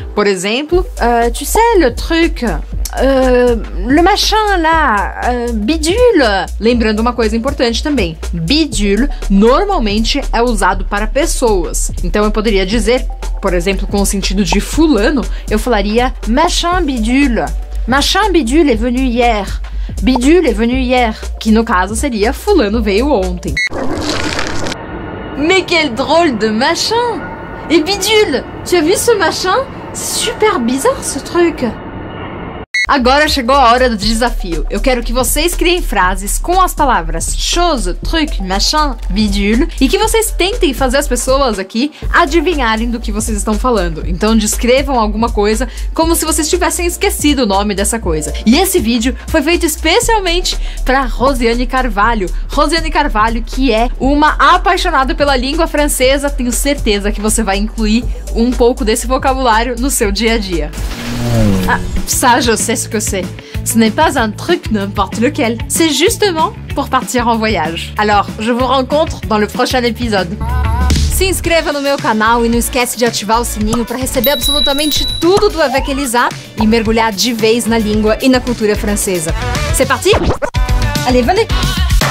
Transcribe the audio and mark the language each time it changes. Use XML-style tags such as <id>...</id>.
<pt>Por exemplo,</pt> <fr>tu sais le truc, le machin là, bidule.</fr> <pt>Lembrando uma coisa importante também, bidule normalmente é usado para pessoas. Então eu poderia dizer, por exemplo, com o sentido de fulano, eu falaria machin bidule.</pt> <fr>Machin bidule est venu hier. Bidule est venu hier.</fr> <pt>Que no caso seria fulano veio ontem.</pt> <fr>Mais quel drôle de machin! Et bidule, tu as vu ce machin? Super bizarre ce truc!</fr> <pt>Agora chegou a hora do desafio. Eu quero que vocês criem frases com as palavras chose, truc, machin, bidule e que vocês tentem fazer as pessoas aqui adivinharem do que vocês estão falando. Então descrevam alguma coisa como se vocês tivessem esquecido o nome dessa coisa. E esse vídeo foi feito especialmente para Rosiane Carvalho. Rosiane Carvalho, que é uma apaixonada pela língua francesa, tenho certeza que você vai incluir um pouco desse vocabulário no seu dia a dia.</pt> <fr>Ah, ça je sais ce que c'est. Ce n'est pas un truc n'importe lequel. C'est justement pour partir en voyage. Alors, je vous rencontre dans le prochain épisode.</fr> <pt>Se inscreva no meu canal e não esquece de ativar o sininho para receber absolutamente tudo do Avec Elisa e mergulhar de vez na língua e na cultura francesa.</pt> <fr>C'est parti? Allez, venez!</fr>